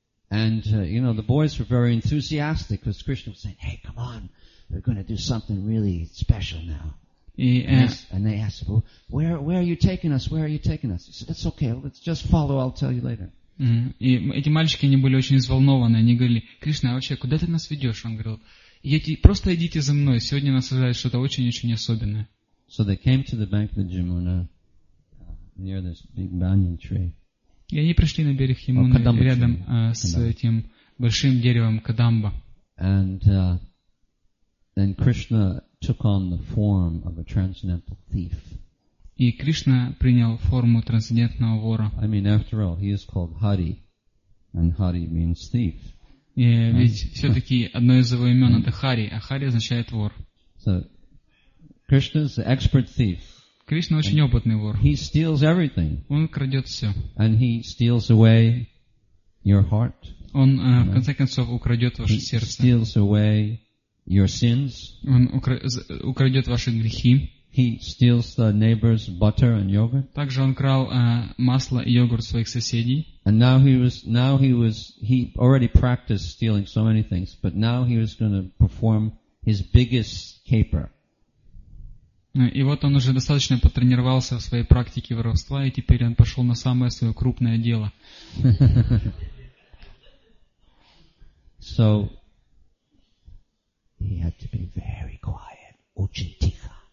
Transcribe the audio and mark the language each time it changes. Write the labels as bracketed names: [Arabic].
[English] And, you know, the boys were very enthusiastic because Krishna was saying, hey, come on, we're going to do something really special now. And they asked, well, where are you taking us? Where are you taking us? He said, it's okay, let's just follow, I'll tell you later. [Russian] И эти мальчики, они были очень взволнованы. Они говорили, Кришна, вообще, куда ты нас ведешь? Он говорил, просто идите за мной. Сегодня нас ожидает что-то очень-очень особенное. [English] So they came to the bank of the Jamuna near this big banyan tree. [Russian] И они пришли на берег Ямуны рядом с этим большим деревом Кадамба. [English] And then Krishna took on the form of a transcendental thief. [Russian] И Кришна принял форму трансцендентного вора. [English] I mean, after all, he is called Hari, and Hari means thief. [Russian] И ведь все-таки одно из его имен это Хари, а Хари означает вор. [English] So Krishna is the expert thief. [Russian] Кришна очень опытный вор. [English] He steals everything. [Russian] Он крадет все. [English] And he steals away your heart. [Russian] Он в конце концов украдет ваше сердце. [English] He steals away your sins. [Russian] Он украдет ваши грехи. [English] He steals the neighbor's butter and yogurt. [Russian] Также он крал масло и йогурт своих соседей. [English] And now he already practiced stealing so many things, but now he was going to perform his biggest caper. [Russian] И вот он уже достаточно потренировался в своей практике воровства, и теперь он пошел на самое свое крупное дело. [English] So he had to be very quiet, [Russian] очень тихо.